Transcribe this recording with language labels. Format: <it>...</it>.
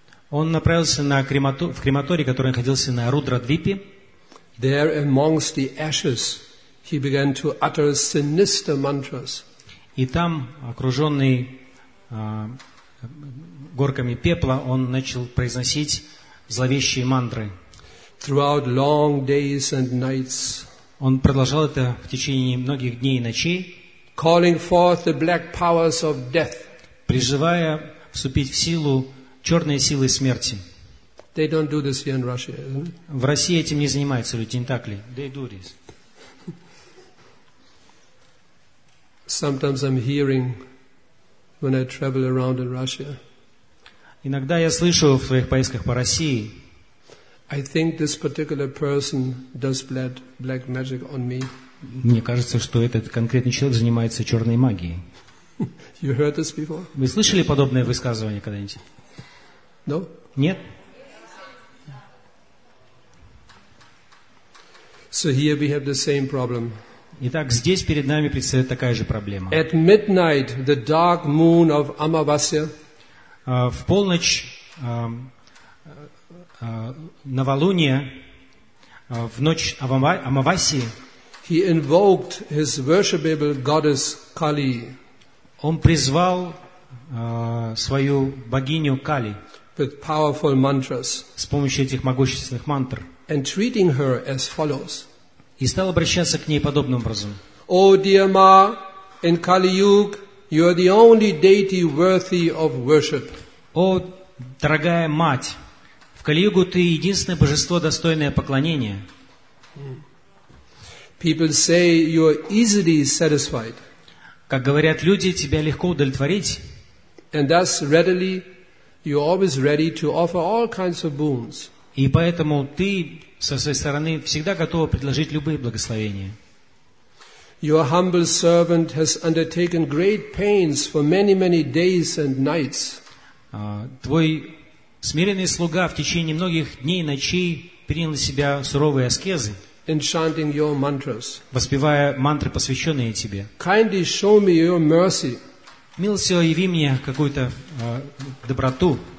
<ru>Он направился в крематорий, который находился на Рудрадвипе.</ru> <en>There amongst the ashes he began to utter sinister mantras.</en> <ru>И там, окружённый горками пепла, он начал произносить зловещие мантры.</ru> <en>Throughout long days and nights.</en> <ru>Он продолжал это в течение многих дней и ночей.</ru> <en>Calling forth the black powers of death.</en> <ru>Призывая вступить в силу чёрные силы смерти.</ru> <en>They don't do this here in Russia.</en> <ru>В России этим не занимаются люди, не так ли?</ru> <en>They do this. Sometimes I'm hearing when I travel around in Russia.</en> <ru>Иногда я слышу в своих поездках по России.</ru> <en>I think this particular person does black magic on me.</en> <ru>Мне кажется, что этот конкретный человек занимается черной магией.</ru> <en>You heard this before?</en> <ru>Вы слышали подобное высказывание когда-нибудь?</ru> <en>No.</en> <ru>Нет.</ru> <en>So here we have the same problem.</en> <ru>Итак, здесь перед нами предстоит такая же проблема.</ru> <en>At midnight, the dark moon of Amavasya.</en> <ru>В полночь новолуния, в ночь Амавасии.</ru> <en>He invoked his worshipable goddess Kali.</en> <ru>Он призвал свою богиню Кали.</ru> <en>With powerful mantras.</en> <ru>С помощью этих могущественных мантр.</ru> <en>And treating her as follows.</en> <ru>И стал обращаться к ней подобным образом.</ru> <en>О, dear Ma, in Kali Yuga, you are the only deity worthy of worship.</en> <ru>О, дорогая мать, в Кали Югу ты единственное божество, достойное поклонения.</ru> <en>People say you are easily satisfied.</en> <ru>Как говорят люди, тебя легко удовлетворить.</ru> <en>And thus readily, you are always ready to offer all kinds of boons.</en> <ru>И поэтому ты со своей стороны всегда готова предложить любые благословения.</ru> <en>Your humble servant has undertaken great pains for many, many days and nights.</en> <ru>Твой смиренный слуга в течение многих дней и ночей принял на себя суровые аскезы,</ru> <en>enchanting your mantras.</en> <ru>Воспевая мантры, посвященные тебе.</ru> <en>Kindly show me your mercy.</en> <ru>Милостиво яви мне какую-то доброту.</ru>